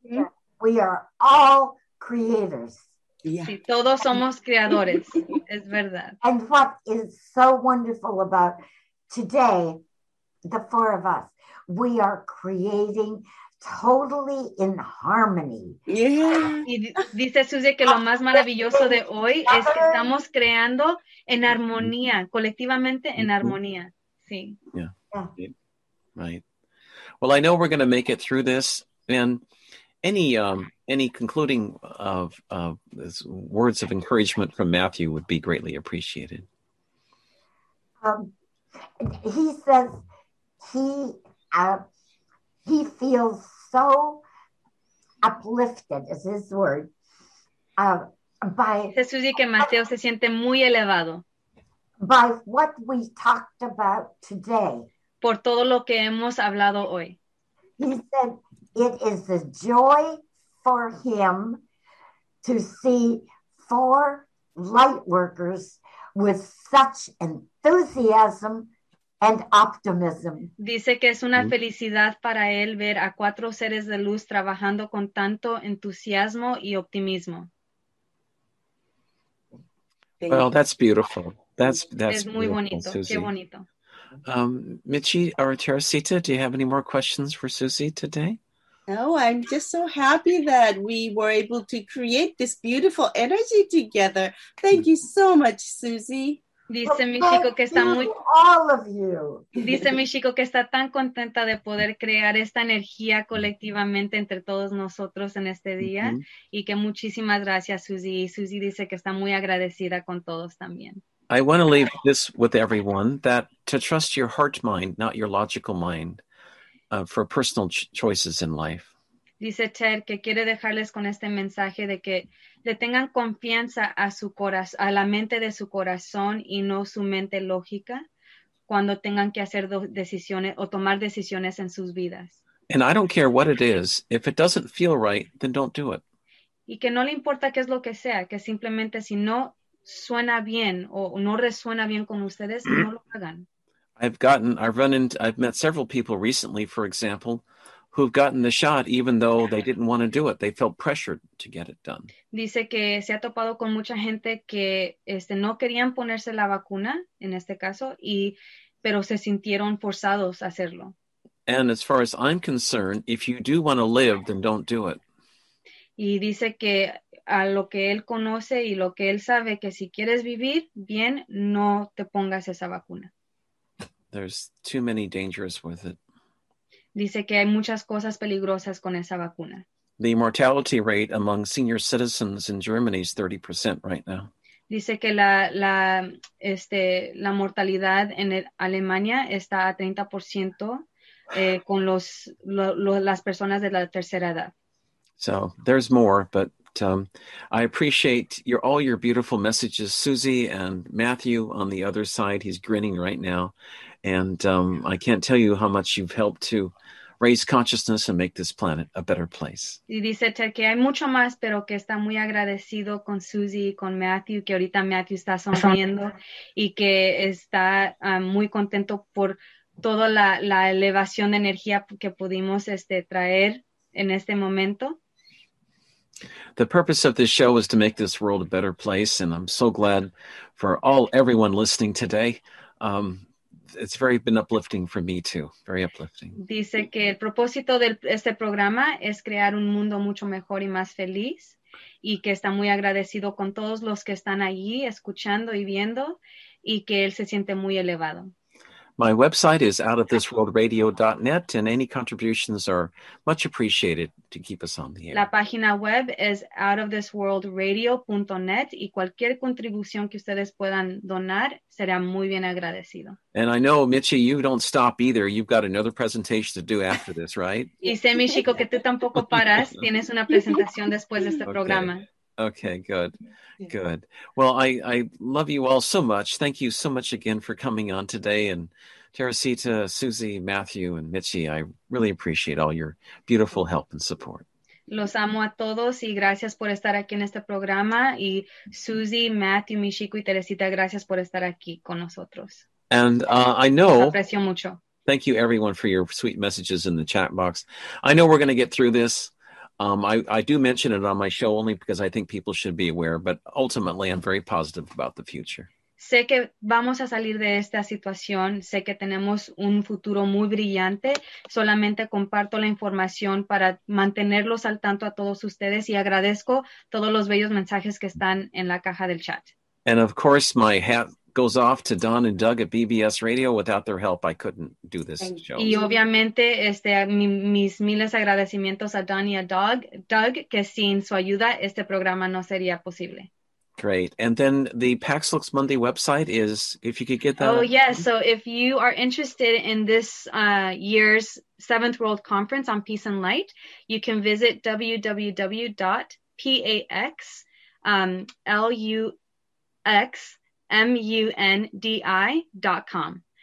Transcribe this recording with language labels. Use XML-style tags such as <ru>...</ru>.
<en>Yeah. We are all creators. Yeah.</en> <es>Sí, todos somos creadores. Es verdad.</es> <en>And what is so wonderful about today the four of us, we are creating totally in harmony. Yeah.</en> <es>Y dice Susie que lo más maravilloso de hoy es que estamos creando en armonía, colectivamente en armonía. Sí.</es> <en>Yeah. Right. Well, I know we're going to make it through this. And any concluding of this words of encouragement from Matthew would be greatly appreciated. He says he feels so uplifted, is his word, by</en> <es>Jesús y que Mateo se siente muy elevado.</es> <en>By what we talked about today.</en> <es>Por todo lo que hemos hablado hoy.</es> <en>He said it is a joy for him to see four light workers with such enthusiasm and optimism.</en> <es>Dice que es una felicidad para él ver a cuatro seres de luz trabajando con tanto entusiasmo y optimismo.</es> <en>Well, that's beautiful. That's</en> <es>es muy bonito. Susie. Qué bonito.</es> <en>Michi or Teresita, do you have any more questions for Susie today? No, I'm just so happy that we were able to create this beautiful energy together. Thank you so much, Susie.</en> <es>Dice mi chico que está muy.</es> <en>All of you.</en> <es>Dice mi chico que está tan contenta de poder crear esta energía colectivamente entre todos nosotros en este día. Mm-hmm. Y que muchísimas gracias, Susie. Y Susie dice que está muy agradecida con todos también.</es> <en>I want to leave this with everyone, that to trust your heart mind, not your logical mind, for personal choices in life.</en> <es>Dice Ted que quiere dejarles con este mensaje de que le tengan confianza a su corazón, a la mente de su corazón y no su mente lógica cuando tengan que hacer decisiones o tomar decisiones en sus vidas.</es> <en>And I don't care what it is. If it doesn't feel right, then don't do it.</en> <es>Y que no le importa qué es lo que sea, que simplemente si no suena bien o no resuena bien con ustedes, no lo hagan.</es> <en>I've met several people recently, for example, who've gotten the shot even though they didn't want to do it. They felt pressured to get it done.</en> <es>Dice que se ha topado con mucha gente que no querían ponerse la vacuna, en este caso, pero se sintieron forzados a hacerlo.</es> <en>And as far as I'm concerned, if you do want to live, then don't do it.</en> <es>Y dice que a lo que él conoce y lo que él sabe, que si quieres vivir bien, no te pongas esa vacuna.</es> <en>There's too many dangers with it.</en> <es>Dice que hay muchas cosas peligrosas con esa vacuna.</es> <en>The mortality rate among senior citizens in Germany is 30% right now.</en> <es>Dice que la mortalidad en Alemania está a 30% con las personas de la tercera edad.</es> <en>So there's more, but I appreciate all your beautiful messages, Susie and Matthew on the other side. He's grinning right now. And I can't tell you how much you've helped to raise consciousness and make this planet a better place.</en> <es>Y dice Ted que hay mucho más, pero que está muy agradecido con Susie y con Matthew, que ahorita Matthew está sonriendo y que está muy contento por toda la elevación de energía que pudimos traer en este momento.</es> <en>The purpose of this show is to make this world a better place, and I'm so glad for everyone listening today. It's been uplifting for me too, very uplifting.</en> <es>Dice que el propósito de este programa es crear un mundo mucho mejor y más feliz, y que está muy agradecido con todos los que están allí escuchando y viendo, y que él se siente muy elevado.</es> <en>My website is outofthisworldradio.net, and any contributions are much appreciated to keep us on the air.</en> <es>La página web es outofthisworldradio.net, y cualquier contribución que ustedes puedan donar será muy bien agradecido.</es> <en>And I know, Michi, you don't stop either. You've got another presentation to do after this, right?</en> <es>Y sé, mi chico, que tú tampoco paras. Tienes una presentación después de este programa.</es> <en>Okay, good. Good. Well, I love you all so much. Thank you so much again for coming on today. And Teresita, Susie, Matthew, and Michi, I really appreciate all your beautiful help and support.</en> <es>Los amo a todos y gracias por estar aquí en este programa. Y Susie, Matthew, Michiko, y Teresita, gracias por estar aquí con nosotros.</es> <en>And I know.</en> <es>Los aprecio mucho.</es> <en>Thank you, everyone, for your sweet messages in the chat box. I know we're going to get through this. I do mention it on my show only because I think people should be aware, but ultimately I'm very positive about the future.</en> <es>Sé que vamos a salir de esta situación. Sé que tenemos un futuro muy brillante. Solamente comparto la información para mantenerlos al tanto a todos ustedes y agradezco todos los bellos mensajes que están en la caja del chat.</es> <en>And of course, my hat goes off to Don and Doug at BBS Radio. Without their help, I couldn't do this show.</en> <es>Y obviamente, mis miles agradecimientos a Don y a Doug, que sin su ayuda, este programa no sería posible.</es> <en>Great. And then the Pax Lux Mundi website is, if you could get that. Oh, yes. So if you are interested in this year's 7th World Conference on Peace and Light, you can visit www.paxluxmundi.com.</en>